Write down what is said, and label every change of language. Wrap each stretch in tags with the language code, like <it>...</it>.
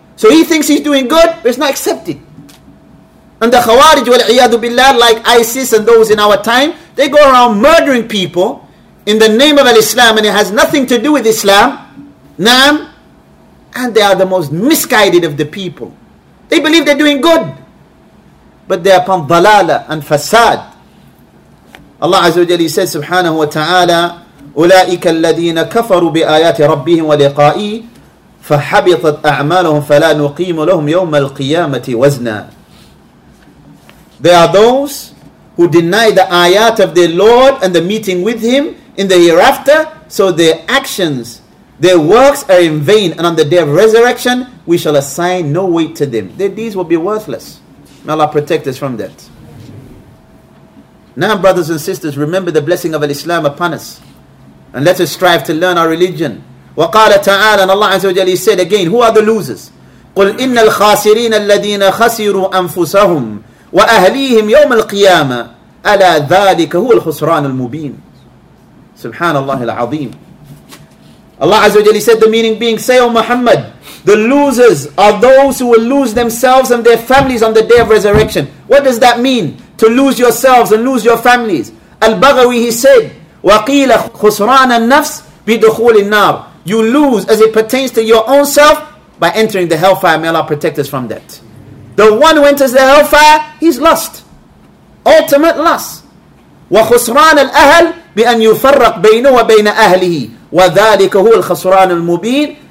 <en>So he thinks he's doing good, but it's not accepted. And the Khawarij wal-iyadu billah, like ISIS and those in our time, they go around murdering people in the name of al-Islam, and it has nothing to do with Islam. Naam. And they are the most misguided of the people. They believe they're doing good, but they're upon dalala and fasad.</en> <ar>Allah Azza wa Jalla says, subhanahu wa ta'ala, أُولَٰئِكَ الَّذِينَ كَفَرُوا بِآيَاتِ رَبِّهِمْ وَلِقَائِهِ فَحَبِطَتْ أَعْمَالُهُمْ فَلَا نُقِيمُ لَهُمْ يَوْمَ الْقِيَامَةِ وَزْنًا.</ar> <en>They are those who deny the ayat of their Lord and the meeting with Him in the hereafter, so their actions, their works are in vain, and on the day of resurrection, we shall assign no weight to them. Their deeds will be worthless. May Allah protect us from that. Now, brothers and sisters, remember the blessing of al-Islam upon us, and let us strive to learn our religion.</en> <ar>وَقَالَ تَعَالَى,</ar> <en>and Allah Azza wa Jalla said again, who are the losers?</en> <ar>قُلْ إِنَّ الْخَاسِرِينَ الَّذِينَ خَسِرُوا أَنفُسَهُمْ وَأَهْلِيهِمْ يَوْمَ الْقِيَامَةِ أَلَى ذَلِكَ هُوَ الْخُسْرَانُ الْمُبِينُ. Subhanallah al-Azim.</ar> <en>Allah Azza wa Jalla said, the meaning being, say, O Muhammad, the losers are those who will lose themselves and their families on the day of resurrection. What does that mean? To lose yourselves and lose your families.</en> <ar>Al-Baghawi,</ar> <en>he said,</en> <ar>وَقِيلَ خُسْرَانَ النَّفْسِ بِدُخُولِ النَّارِ.</ar> <en>You lose as it pertains to your own self by entering the hellfire. May Allah protect us from that. The one who enters the hellfire, he's lost. Ultimate loss.</en> <ar>وَخُسْرَانَ الْأَهَلِ بِأَنْ يُفَرَّقْ بَيْنُ وَبَيْنَ أَهْلِهِ وَذَلِكَ هُوَ الْخَسْرَانُ الْمُبِينُ.</ar>